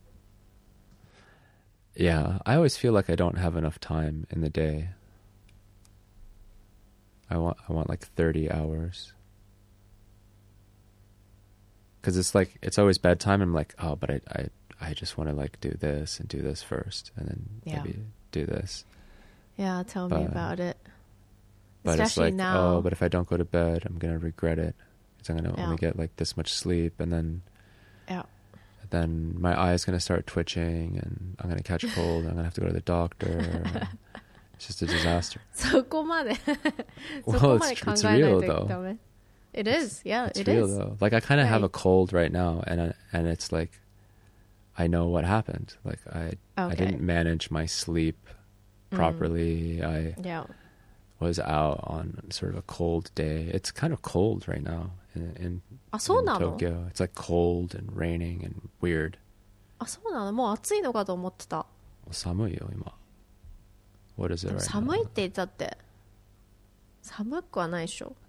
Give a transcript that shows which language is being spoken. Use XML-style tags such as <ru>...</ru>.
<ja>今なんてさ、じゃあ15分ちょっと休憩ねって言われたら、わざわざ部屋の外出てさ、なんかめっちゃ遊ぼうって思わないけどさ、子供の時その15分あったらもう全然何でもできるじゃん。Yeah,</ja> <en>I always feel like I don't have enough time in the day. I want like 30 hours. Because it's like, it's always bedtime, and I'm like, oh, but I just want to like do this and do this first and then maybe do this. Yeah, tell me about it. But especially it's like, now. Oh, but if I don't go to bed, I'm going to regret it. Because I'm going to only get like this much sleep, and then then my eye is going to start twitching and I'm going to catch cold and I'm going to have to go to the doctor. It's just a disaster.</en> <ja>そこまで</ja> <en>Well, it's real though. It is. Yeah, it is. It's real though. Like I kind of have a cold right now, and it's like, I know what happened. Like I didn't manage my sleep properly. I was out on sort of a cold day. It's kind of cold right now in Tokyo. It's like cold and raining and weird.</en> <ja>あ、そうなの。もう暑いのかと思ってた。寒いよ、今。</ja> <en>What is it right now?</en> <ja>寒いって言ったって。寒くはないでしょ。</ja>